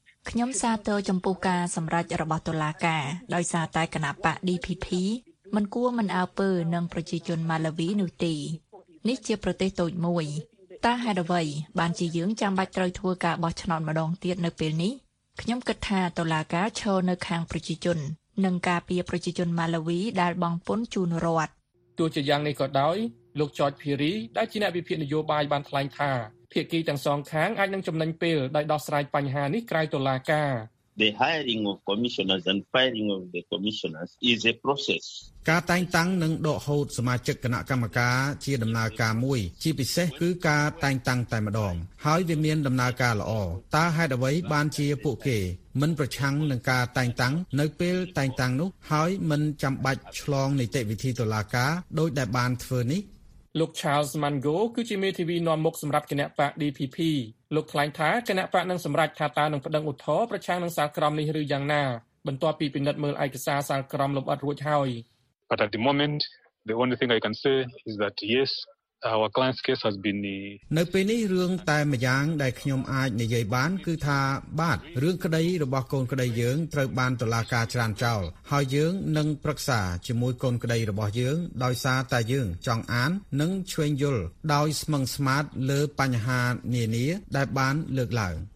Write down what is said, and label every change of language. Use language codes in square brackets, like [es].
[km] ខ្ញុំសាទរចំពោះការសម្រេចរបស់តុលាការដោយសារតែគណៈបក DPP មិនគួរមិនអើពើនឹងប្រជាជនម៉ាឡាវីនោះទេនេះជាប្រទេសតូចមួយតើហេតុអ្វីបានជាយើងចាំបាច់ត្រូវធ្វើការបោះឆ្នោតម្ដងទៀតនៅពេលនេះខ្ញុំគិតថាតុលាការឈរនៅខាងប្រជាជននិងការពារប្រជាជនម៉ាឡាវីដែលបងពុនជូនរដ្ឋ ទោះជាយ៉ាងនេះក៏ដោយលោកចចភីរីដែលជាអ្នកវិភាគនយោបាយបានថ្លែងថាភាគីទាំងសងខាងអាចនឹងចំណេញពេលដោយដោះស្រាយបញ្ហានេះក្រៅតុលាការ [en] The hiring of commissioners and firing of the commissioners is a process [km] ការតែងតាំងនិងដកហូតសមាជិកគណៈកម្មការជាដំណើរការមួយជាពិសេសគឺការតែងតាំងតែម្ដងហើយវាមានដំណើរការល្អតើហេតុអ្វីបានជាពួកគេមិនប្រឆាំងនឹងការតែងតាំងនៅពេលតែងតាំងនោះហើយមិនចាំបាច់ឆ្លងនីតិវិធីតុលាការដោយដែលបានធ្វើនេះ លោក Charles Mango គឺជាមេធាវីនាំមុខសម្រាប់គណៈបក DPP លោកថ្លែងថាគណៈបកនឹងសម្រេចថាតើនឹងប្តឹងឧទ្ធរណ៍ប្រឆាំងនឹងសាលក្រមនេះឬយ៉ាងណាបន្ទាប់ពីពិនិត្យមើលឯកសារសាលក្រមលម្អិតរួចហើយ [en] But at the moment the only thing I can say is that yes our client's case has been [km] នៅពេលនេះរឿងតែម្យ៉ាងដែលខ្ញុំអាចនិយាយបានគឺថាបាទរឿងក្តីរបស់កូនក្តីយើងត្រូវបានតុលាការច្រានចោលហើយយើងនឹងប្រឹក្សាជាមួយកូនក្តីរបស់យើងដោយសារតែយើងចង់អាននិងឆ្វេងយល់ដោយស្មឹងស្មាតលើបញ្ហានានាដែលបានលើកឡើង